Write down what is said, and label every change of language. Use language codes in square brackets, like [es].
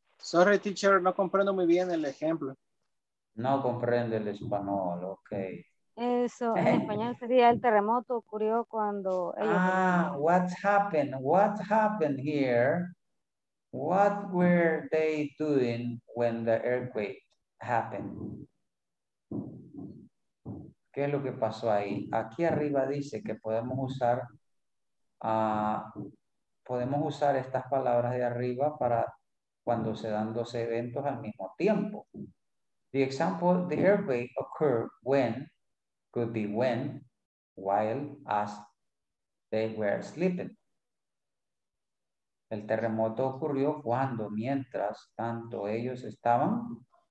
[en] Sorry, teacher, [es] no comprendo muy bien el ejemplo. No comprende el español, ok. Eso, en español sería el terremoto ocurrió cuando... [en] Ellos... Ah, what happened here? What were they doing when the earthquake happened? [es] ¿Qué es lo que pasó ahí? Aquí arriba dice que podemos usar estas palabras de arriba para cuando se dan dos eventos al mismo tiempo. [en] The example, the earthquake occurred when, could be when, while, as they were sleeping. [es] El terremoto ocurrió cuando, mientras, tanto ellos estaban.